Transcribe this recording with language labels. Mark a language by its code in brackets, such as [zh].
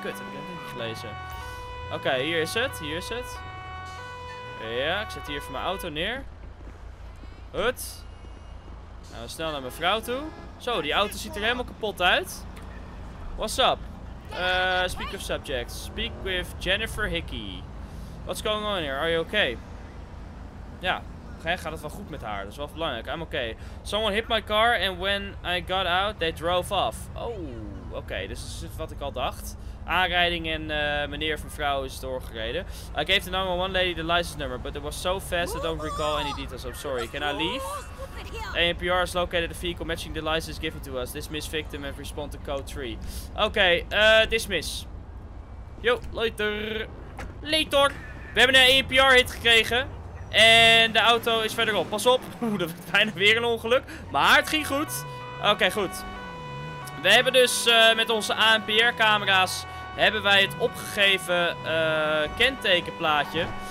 [nl] Kut, heb ik het niet gelezen. Oké, hier is het. Hier is het. Ja, ik zet hier even mijn auto neer. Hut. Nou, snel naar mijn vrouw toe. Zo, die auto ziet er helemaal kapot uit. [en] What's up? Speak of subjects. Speak with Jennifer Hickey. What's going on here? Are you okay? [nl] Ja, gaat het wel goed met haar? Dat is wel belangrijk. [en] I'm okay. Someone hit my car and when I got out, they drove off. [nl] Oh, okay. Dus dat is wat ik al dacht. Aanrijding en meneer of mevrouw is doorgereden. [en] I gave the 911 lady the license number, but it was so fast I don't recall any details. I'm sorry. Can I leave? ANPR has located a vehicle matching the license given to us. Dismiss victim and respond to code 3. Okay, dismiss. Yo, later. Later. [nl] We hebben een ANPR hit gekregen. En de auto is verderop. Pas op. Oeh, dat werd bijna weer een ongeluk. Maar het ging goed. Okay, goed. We hebben dus met onze ANPR camera's hebben wij het opgegeven kentekenplaatje.